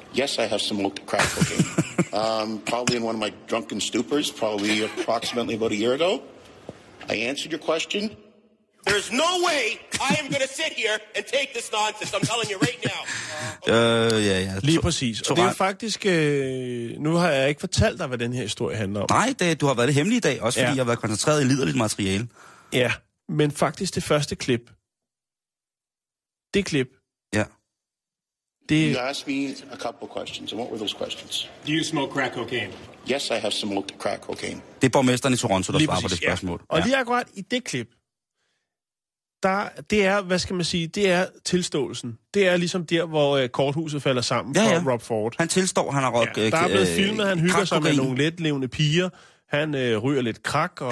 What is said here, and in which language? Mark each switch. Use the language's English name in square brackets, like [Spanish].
[English] Yes, I have smoked crack cocaine. probably in one of my drunken stupors, probably approximately about a year ago. I answered your question. There's no way I am going to sit here and take this nonsense. I'm telling you right now. [Danish] Lige præcis. Og det er faktisk... nu har jeg ikke fortalt dig, hvad den her historie handler om. Nej, du har været det hemmelige i dag, også fordi jeg har været koncentreret i liderligt materiale. Ja, men faktisk det første klip... Det klip. Ja. [English] You asked me a couple questions, and what were those questions? Do you smoke crack cocaine? Yes, I have smoked crack cocaine. [Danish] Det er borgmesteren i Toronto, der svarer på det spørgsmål. Og lige akkurat i det klip, det er tilståelsen. Det er ligesom der, hvor korthuset falder sammen for Rob Ford. Han tilstår, han har røget Der er blevet filmet, han hygger sig med nogle letlevende piger. Han ryger lidt krak. Og...